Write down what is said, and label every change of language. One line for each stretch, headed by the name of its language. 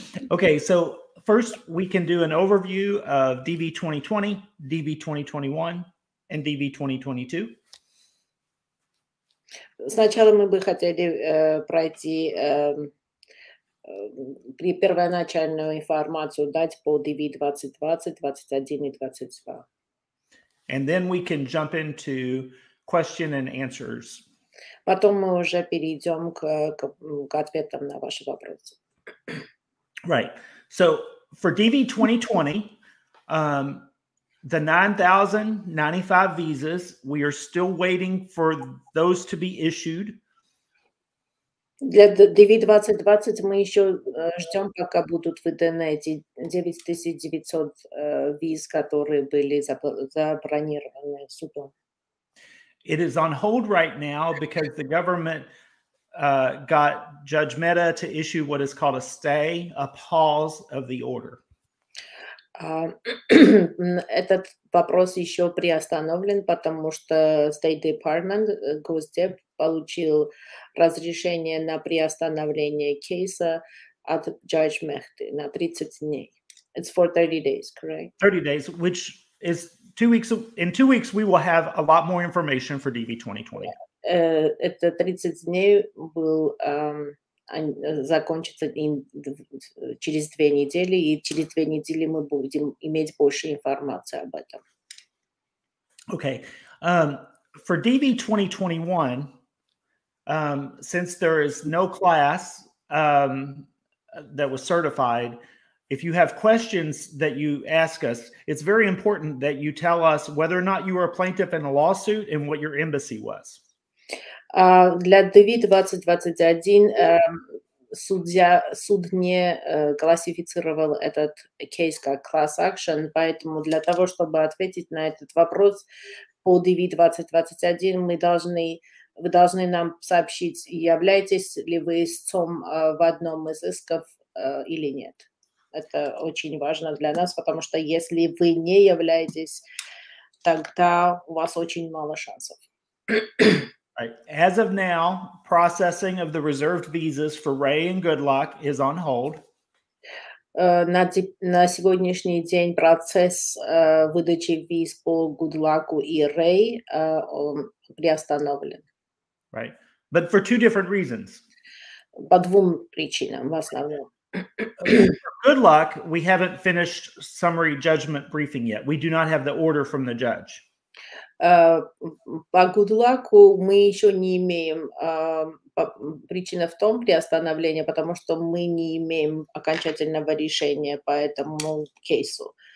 English: Okay, so first we can do an overview of DV 2020, DV 2021, and DV 2022.
Russian: Сначала мы бы хотели пройти при первоначальную информацию дать по DV 2020, 21 и 22.
English: And then we can jump into question and answers.
Russian: Потом мы уже перейдем к ответам на ваши вопросы.
English: Right. So for DV 2020, the 9,095 visas, we are still waiting for those to be issued.
Russian: Для DV 2020 мы еще ждем, пока будут выданы эти 9900 виз, которые были забронированы судом.
English: It is on hold right now because the government got Judge Mehta to issue what is called a stay, a pause of the order.
Russian: Этот вопрос еще приостановлен, потому что State Department, Госдеп, получил разрешение на приостановление кейса от Judge Mehta на 30 дней.
English: It's for 30 days, correct? 30 days, which is 2 weeks. In 2 weeks, we will have a lot more information for DV 2020. Yeah.
Russian: Это 30 дней был закончится через 2 недели, и через 2 недели мы будем иметь больше информации об этом. Okay.
English: For DV 2021, since there is no class that was certified, if you have questions that you ask us, it's very important that you tell us whether or not you were a plaintiff in a lawsuit and what your embassy was.
Russian: Для DV 2021 суд не классифицировал этот кейс как class action, поэтому для того, чтобы ответить на этот вопрос по DV 2021, вы должны нам сообщить, являетесь ли вы истцом в одном из исков или нет. Это очень важно для нас, потому что если вы не являетесь, тогда у вас очень мало шансов.
English: As of now, processing of the reserved visas for Ray and Goodluck is on hold.
Russian: На сегодняшний день процесс выдачи виз по Гудлаку и Рэй приостановлен.
English: Right, but for two different reasons.
Russian: По двум причинам в основном.
English: Goodluck, we haven't finished summary judgment briefing yet. We do not have the order from the judge.
Russian: По Гудлаку мы еще не имеем, причина в том, приостановление, потому что мы не имеем окончательного решения по этому кейсу.